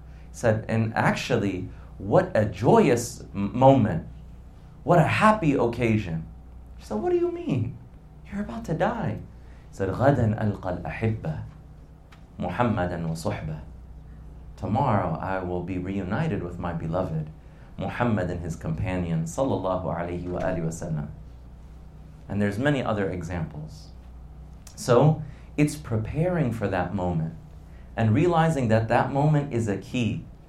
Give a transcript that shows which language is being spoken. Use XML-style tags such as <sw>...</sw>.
<en>He said, and actually, what a joyous moment. What a happy occasion. She said, what do you mean? You're about to die. He said,</en> <ar>غَدًا أَلْقَى الْأَحِبَّةِ مُحَمَّدًا وَصُحْبَةِ.</ar> <en>Tomorrow I will be reunited with my beloved Muhammad and his companion, sallallahu alayhi wa alihi wa sallam. And there's many other examples. So, it's preparing for that moment and realizing that that moment is a key.</en>